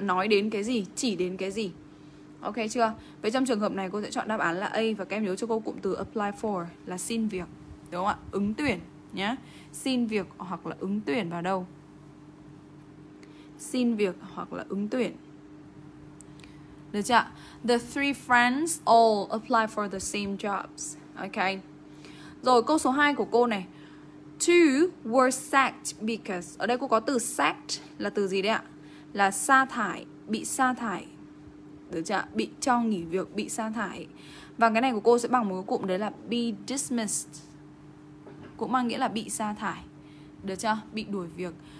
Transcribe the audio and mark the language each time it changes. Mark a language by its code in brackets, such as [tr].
[vi] Nói đến cái gì, chỉ đến cái gì. Ok chưa? Vậy trong trường hợp này cô sẽ chọn đáp án là A. Và các em nhớ cho cô cụm từ apply for là xin việc, đúng không ạ? Ứng tuyển nhá. Xin việc hoặc là ứng tuyển vào đâu? Xin việc hoặc là ứng tuyển. Được chưa? [en] The three friends all apply for the same jobs. Ok. [vi] Rồi câu số 2 của cô này, [en] two were sacked because. [vi] Ở đây cô có từ sacked là từ gì đấy ạ? Là sa thải, bị sa thải. Được chưa? Bị cho nghỉ việc, bị sa thải. Và cái này của cô sẽ bằng một cái cụm đấy là be dismissed, cũng mang nghĩa là bị sa thải. Được chưa? Bị đuổi việc.